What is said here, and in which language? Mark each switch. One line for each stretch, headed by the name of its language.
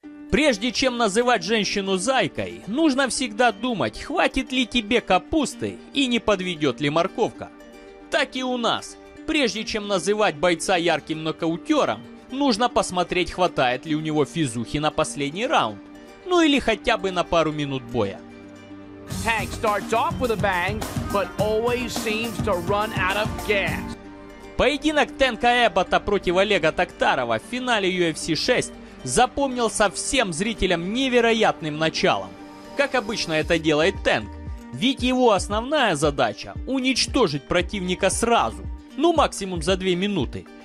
Russian: Прежде чем называть женщину зайкой, нужно всегда думать, хватит ли тебе капусты и не подведет ли морковка. Так и у нас. Прежде чем называть бойца ярким нокаутером, нужно посмотреть, хватает ли у него физухи на последний раунд. Ну или хотя бы на пару минут боя.
English: Tank starts off with a bang, but always seems to run out of gas.
Russian: Поединок Тенка Эббота против Олега Токтарова в финале UFC 6 запомнился всем зрителям невероятным началом. Как обычно это делает Тенк. Ведь его основная задача – уничтожить противника сразу, ну максимум за 2 минуты.